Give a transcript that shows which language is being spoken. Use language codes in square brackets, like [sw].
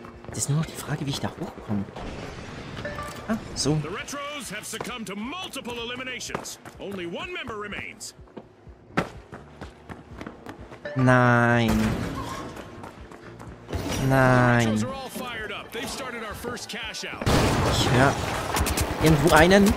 [de] Es ist nur noch die Frage, wie ich da hochkomme. Ah, so. [en] The Retros have succumbed to multiple eliminations. Only one member remains. [de] Nein. Nein. [en] The Retros are all fired up. They've started our first cash out. [de] Ich höre irgendwo einen.